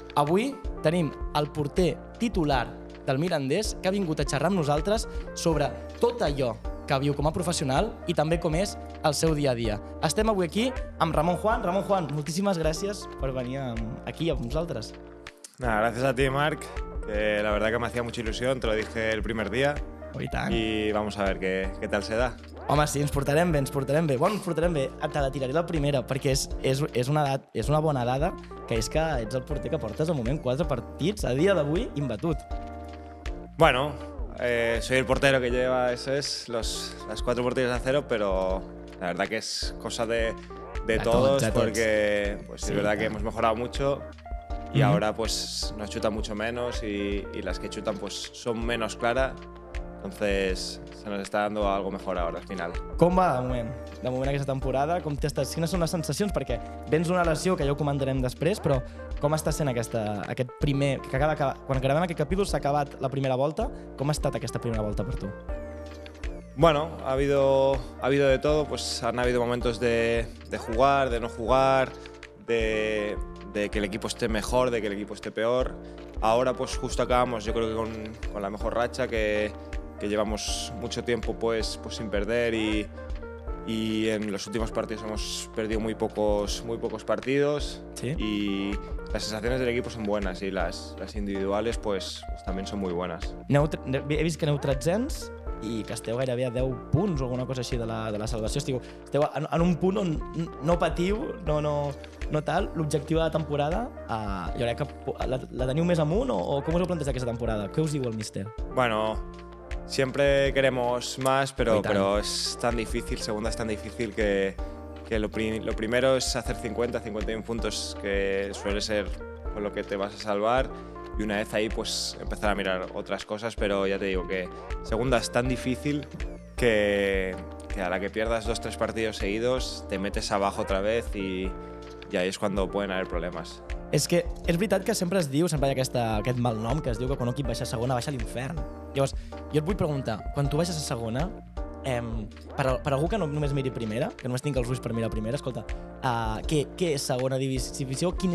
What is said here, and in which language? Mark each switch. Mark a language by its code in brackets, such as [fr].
[ca] Avui tenim el porter titular del Mirandés, que ha vingut a xerrar amb nosaltres sobre tot allò que viu com a professional i també com és el seu dia a dia. Estem avui aquí amb Ramon Juan. Ramon Juan, moltíssimes gràcies per venir aquí amb nosaltres. [es] Nada, gracias a ti, Marc. La verdad que me hacía mucha ilusión, te lo dije el primer día. [ca] Oh, i tant. [es] I vamos a ver qué tal se da. [ca] Home, sí, ens portarem bé, ens portarem bé. Bueno, ens portarem bé. Te la tiraré la primera, perquè és una bona dada, que és que ets el porter que portes al moment 4 partits a dia d'avui imbatut. [es] Bueno, soy el portero que lleva, eso es, las cuatro porterías a cero, pero la verdad que es cosa de todos, porque pues sí, es verdad que hemos mejorado mucho y ahora pues nos chutan mucho menos y las que chutan pues son menos claras, entonces se nos está dando algo mejor ahora al final. [ca] Com va de moment aquesta temporada? Com t'estàs? Quines són les sensacions? Perquè vens una lesió que ja ho comentarem després, però com està sent aquest primer... Quan gravem aquest capítol s'ha acabat la primera volta, com ha estat aquesta primera volta per tu? [es] Bueno, ha habido de todo, pues han habido momentos de jugar, de no jugar, de que el equipo esté mejor, de que el equipo esté peor. Ahora pues justo acabamos, yo creo que con la mejor racha, que llevamos mucho tiempo pues sin perder y en los últimos partidos hemos perdido muy pocos partidos. ¿Sí? Y las sensaciones del equipo son buenas y las individuales pues también son muy buenas. [ca] He vist que aneu 13ens i que esteu gairebé a 10 punts o alguna cosa així de la salvació. Esteu en un punt on no patiu, no tal. L'objectiu de la temporada, jo crec que la teniu més amunt o com us ho planteja aquesta temporada? Què us diu el míster? [es] Bueno, siempre queremos más, pero es tan difícil, segunda es tan difícil que lo primero es hacer 50, 51 puntos, que suele ser con lo que te vas a salvar, y una vez ahí pues empezar a mirar otras cosas, pero ya te digo que segunda es tan difícil que a la que pierdas 2-3 partidos seguidos te metes abajo otra vez y ahí es cuando pueden haber problemas. [ca] És que és veritat que sempre es diu, sempre hi ha aquest mal nom, que es diu que quan un equip baixa a segona, baixa a l'infern. Llavors, jo et vull preguntar, quan tu baixes a segona, per algú que no, només miri primera, que només tinc els ulls per mirar primera, escolta, què és segona divisió?